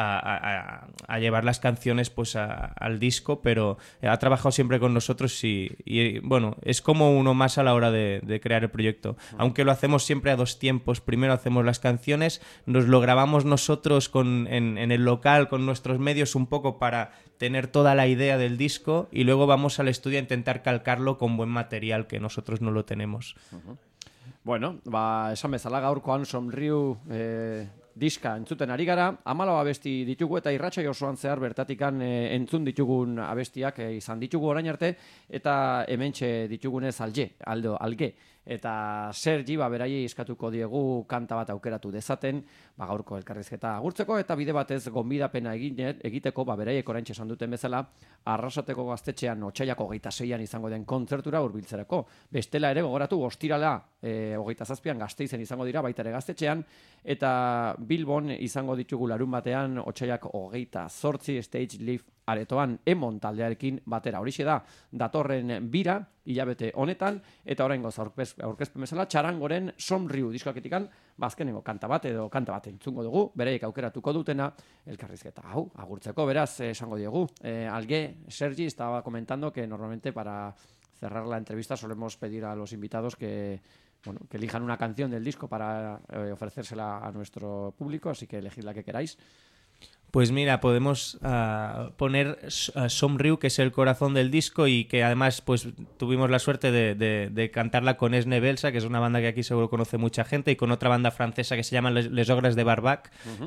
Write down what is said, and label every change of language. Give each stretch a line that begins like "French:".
Spanish: a llevar las canciones pues al disco, pero ha trabajado siempre con nosotros y bueno, es como uno más a la hora de crear el proyecto. Uh-huh. Aunque lo hacemos siempre a dos tiempos. Primero hacemos las canciones, nos lo grabamos nosotros en el local, con nuestros medios, un poco para tener toda la idea del disco, y luego vamos al estudio a intentar calcarlo con buen material, que nosotros no lo tenemos. Uh-huh.
Basque: Bueno, va, esan bezala gaurkoan Somriu diska entzuten ari gara, 14 abesti ditugu eta irratsaio osoan zehar bertatikan entzun ditugun abestiak izan ditugu orain arte, eta hementxe ditugunez alge. Eta Sergi, ba, beraiei eskatuko diegu kanta bat aukeratu dezaten, ba, gaurko elkarrizketa agurtzeko, eta bide batez gonbidapena egiteko, ba, beraiek oraintxe esan duten bezala, Arrasateko Gaztetxean otsaiako 26an izango den kontzertura hurbiltzerako. Bestela ere gogoratu, ostirala 27an Gasteizen izango dira, baita ere Gaztetxean, eta Bilbon izango ditugu larun batean otsaiak 28 Stage Leaf aretoan Emon taldearekin batera. Horixe da, datorren bira, hilabete honetan, eta oraingo aurkezpen bezala, Txarangoren Somriu diskoketikan, bazkenengo kanta bat edo kanta bat entzungo dugu, bereik aukeratuko dutena, elkarrizketa hau, agurtzeko, beraz, esango diegu.
Spanish: Alge, Sergi, estaba comentando que normalmente para cerrar la entrevista solemos pedir a los invitados que, bueno, que elijan una canción del disco para ofrecérsela a nuestro público, así que elegid la que queráis. Pues mira, podemos poner Somriu, que es el corazón del disco y que además pues tuvimos la suerte de cantarla con Esne Belsa, que es una banda que aquí seguro conoce mucha gente, y con otra banda francesa que se llama Les Ogres de Barbac. Uh-huh.